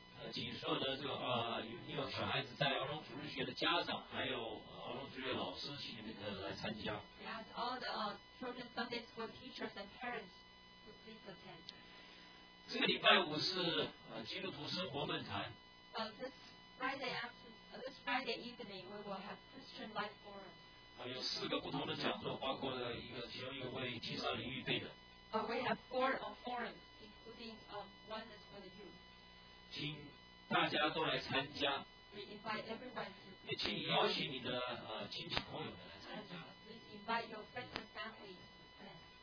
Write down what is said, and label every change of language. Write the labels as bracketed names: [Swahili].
[Chinese] 请所有的这个有小孩子在儿童主日学的家长，还有儿童主日老师，请你们来参加。 [English] We ask all the children's Sunday school teachers and parents to please attend. [Chinese] 这个礼拜五是基督徒生活论坛。 [English] This Friday evening we will have Christian Life Forum. [Chinese] 有四个不同的讲座，包括了其中一个为青少年预备的。 [English] We have four forums, including one is for the youth. [Chinese] 请大家都来参加。 [English] We invite everyone to. [Chinese] 也请邀请你的亲戚朋友们来参加。 [English] Please invite your friends and family to attend.